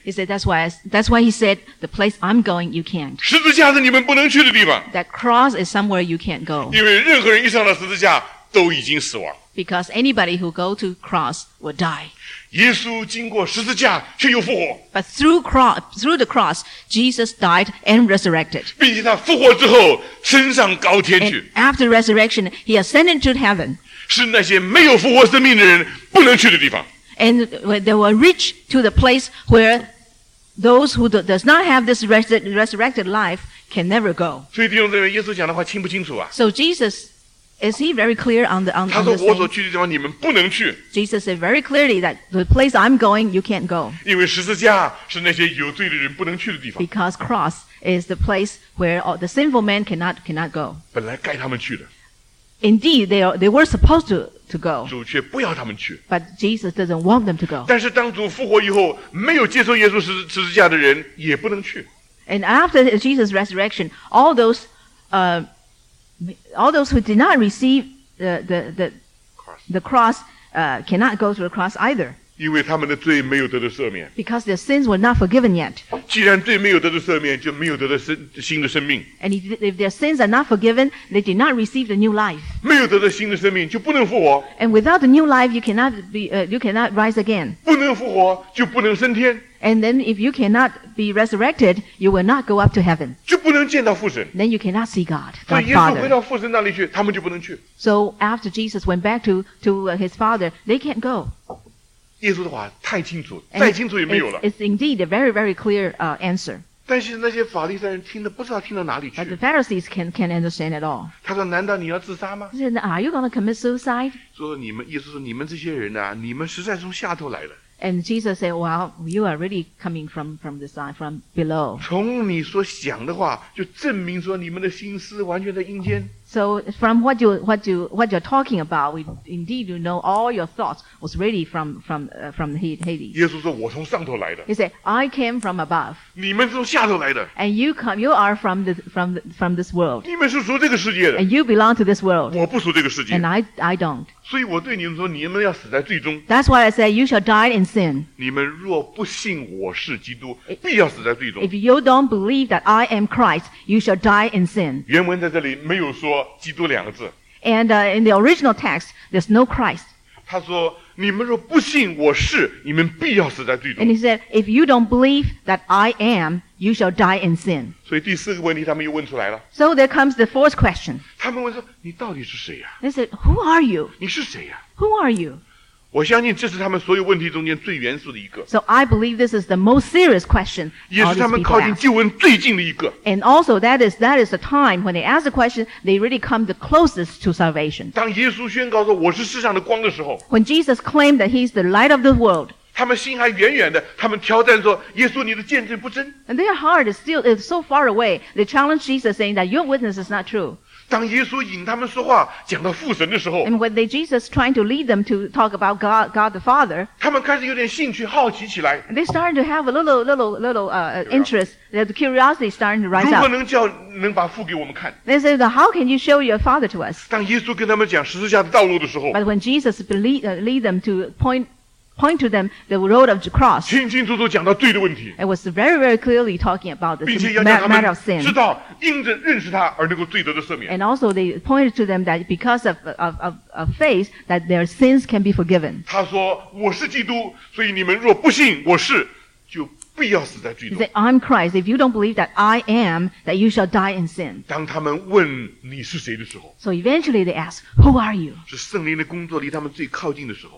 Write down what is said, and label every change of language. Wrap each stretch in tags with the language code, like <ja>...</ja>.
<en>He said, that's why he said, the place I'm going, you can't.</en> <zh>十字架是你们不能去的地方。</zh> <en>That cross is somewhere you can't go.</en> <zh>因为任何人一上到十字架都已经死亡。</zh> <en>Because anybody who go to cross will die.</en> <zh>耶稣经过十字架却又复活。</zh> <en>But through the cross, Jesus died and resurrected.</en> <zh>并且他复活之后升上高天去。</zh> <en>And after resurrection, he ascended to heaven.</en> <zh>是那些没有复活生命的人不能去的地方。</zh> <en>And they will reach to the place where those who does not have this resurrected life can never go.</en> <zh>所以弟兄姊妹，耶稣讲的话清不清楚啊？</zh> <en>So Jesus. Is he very clear on the</en> <zh>他说我所去的地方你们不能去。</zh> <en>Jesus said very clearly that the place I'm going, you can't go.</en> <zh>因为十字架是那些有罪的人不能去的地方。</zh> <en>Because cross is the place where all the sinful man cannot go.</en> <zh>本来该他们去的。</zh> <en>Indeed, they were supposed to go.</en> <zh>主却不要他们去。</zh> <en>But Jesus doesn't want them to go.</en> <zh>但是当主复活以后，没有接受耶稣十字架的人也不能去。</zh> <en>And after Jesus' resurrection, all those who did not receive the cross cannot go to the cross either.</en> <zh>因为他们的罪没有得到赦免。</zh> <en>Because their sins were not forgiven yet.</en> <zh>既然罪没有得到赦免，就没有得到新的生命。</zh> <en>And if their sins are not forgiven, they did not receive the new life.</en> <zh>没有得到新的生命，就不能复活。</zh> <en>And without the new life, you cannot rise again.</en> <zh>不能复活，就不能升天。</zh> <en>And then if you cannot be resurrected, you will not go up to heaven.</en> <zh>就不能见到父神。</zh> <en>Then you cannot see God, God Father.</en> <zh>所以耶稣回到父神那里去，他们就不能去。</zh> <en>So after Jesus went back to his Father, they can't go.</en> <zh>耶稣的话太清楚，再清楚也没有了。</zh> <en>It's indeed a very, very clear answer.</en> <zh>但是那些法利赛人听的不知道听到哪里去。</zh> <en>But the Pharisees can't understand at all.</en> <zh>他说：“难道你要自杀吗？”</zh> <en>He said, "Are you going to commit suicide?"</en> <zh>说你们，耶稣说：“你们这些人呢、啊，你们实在从下头来了。”</zh> <en>And Jesus said, "Well, you are really coming from the side, from below."</en> <zh>从你所想的话，就证明说你们的心思完全在阴间。</zh> <en>So from what you're talking about, we indeed you know all your thoughts was really from Hades.</en> <zh>耶稣说：“我从上头来的。”</zh> <en>He said, "I came from above."</en> <zh>你们是从下头来的。</zh> <en>And you are from this world.</en> <zh>你们是属这个世界的。</zh> <en>And you belong to this world.</en> <zh>我不属这个世界。</zh> <en>And I don't.</en> <zh>所以我对你们说，你们要死在罪中。</zh> <en>That's why I say you shall die in sin.</en> <zh>你们若不信我是基督，必要死在罪中。</zh> <en>If you don't believe that I am Christ, you shall die in sin.</en> <zh>原文在这里没有说。基督两个字</zh> <en>and in the original text there's no Christ</en> <zh>他说你们若不信我是你们必要死在罪中</zh> <en>and he said if you don't believe that I am you shall die in sin</en> <zh>所以第四个问题他们又问出来了</zh> <en>so there comes the fourth question</en> <zh>他们问说你到底是谁呀、</zh> <en>啊、they said who are you</en> <zh>你是谁呀、啊、</zh> <en>who are you</en> <zh>我相信这是他们所有问题中间最严肃的一个</zh> <en>so I believe this is the most serious question</en> <zh>也是他们靠近救恩最近的一个</zh> <en>and also that is the time when they ask the question they really come the closest to salvation</en> <zh>当耶稣宣告说我是世上的光的时候</zh> <en>when Jesus claimed that he's the light of the world</en> <zh>他们心还远远的他们挑战说耶稣你的见证不真</zh> <en>and their heart is so far away they challenge Jesus saying that your witness is not true</en> <zh>当耶稣引他们说话讲到父神的时候</zh> <en>and when Jesus trying to lead them to talk about God the Father</en> <zh>他们开始有点兴趣好奇起来</zh> <en>and they started to have a little interest the curiosity starting to rise up</en> <zh>如何能把父给我们看</zh> <en>they said how can you show your father to us</en> <zh>当耶稣跟他们讲十字架的道路的时候</zh> <en>but when Jesus lead them to point to them the road of the cross</en> <zh>清清楚楚讲到罪的问题</zh> <en>it was very very clearly talking about the matter of sin</en> <zh>知道因着认识他而能够罪得的赦免</zh> <en>and also they pointed to them that because of faith that their sins can be forgiven</en> <zh>他说我是基督所以你们若不信我是就必要死在罪中</zh> <en>he said I'm Christ if you don't believe that I am that you shall die in sin</en> <zh>当他们问你是谁的时候</zh> <en>so eventually they ask who are you</en> <zh>是圣灵的工作离他们最靠近的时候</zh>